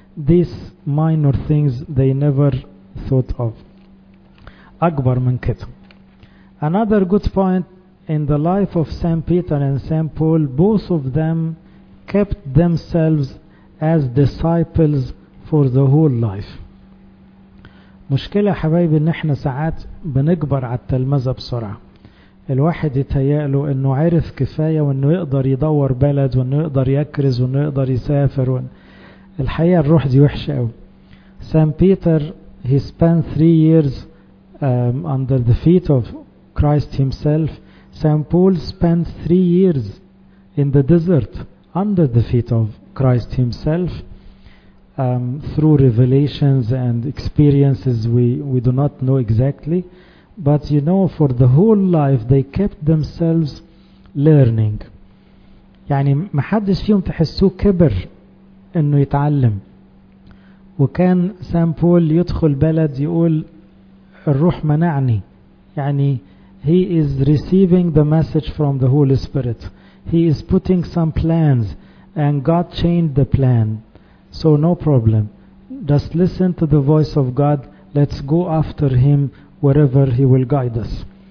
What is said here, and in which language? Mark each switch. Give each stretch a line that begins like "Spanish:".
English: These minor things they never thought of.
Arabic: Akbar min kit.
English: Another good point in the life of St. Peter and St. Paul, both of them kept themselves as disciples for the whole life.
Arabic: مشكلة حبايبي ان احنا ساعات بنكبر على التلمذة بسرعة. الواحد يتهيأ له انه عرف كفاية وانه يقدر يدور بلد وانه يقدر يكرز وانه يقدر يسافر. الحقيقة الروح دي وحشة قوي.
English: Saint Peter, he spent 3 years under the feet of Christ himself. Saint Paul spent 3 years in the desert under the feet of Christ himself, through revelations and experiences we do not know exactly. But you know, for the whole life they kept themselves learning.
Arabic: يعني محدش فيهم تحسوه كبر انه يتعلم. وكان سان بول يدخل بلد يقول الروح منعني, يعني
English: he is receiving the message from the Holy Spirit, he is putting some plans and God changed the plan, so no problem, just listen to the voice of God, let's go after him wherever he will guide us.